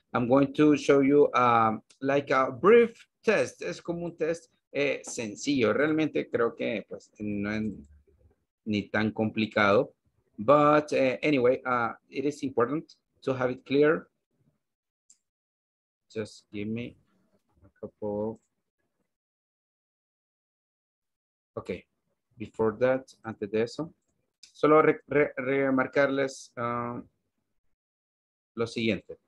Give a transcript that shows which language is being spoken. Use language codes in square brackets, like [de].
[en] I'm going to show you like a brief test. [es] Es como un test sencillo. Realmente creo que pues no es ni tan complicado. [en] But anyway, it is important to have it clear. Just give me a couple. Okay, before that, [es] antes de eso, solo remarcarles lo siguiente.